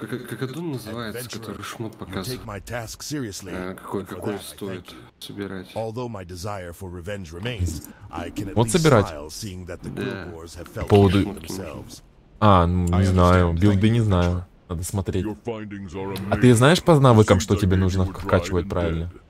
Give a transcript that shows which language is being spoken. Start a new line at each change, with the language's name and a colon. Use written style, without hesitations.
Russian: как это называется, который шмот показывает? Какой стоит собирать?
English: My desire for revenge remains, I can at least smile, seeing that the Gurgors have felt ashamed of themselves.
Russian: А, ну, не знаю, билды не знаю, надо смотреть. А ты знаешь по навыкам, что тебе нужно вкачивать правильно?